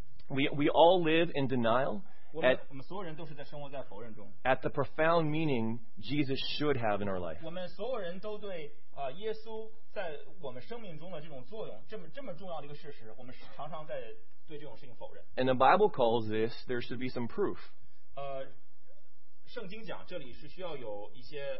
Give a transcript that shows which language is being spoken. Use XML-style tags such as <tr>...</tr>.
<en>We all live in denial at the profound meaning Jesus should have in our life.</en> <zh>我们所有人都对耶稣在我们生命中的这种作用，这么重要的一个事实，我们常常在对这种事情否认。</zh> <en>And the Bible calls this, there should be some proof.</en> <zh>圣经讲这里是需要有一些</zh>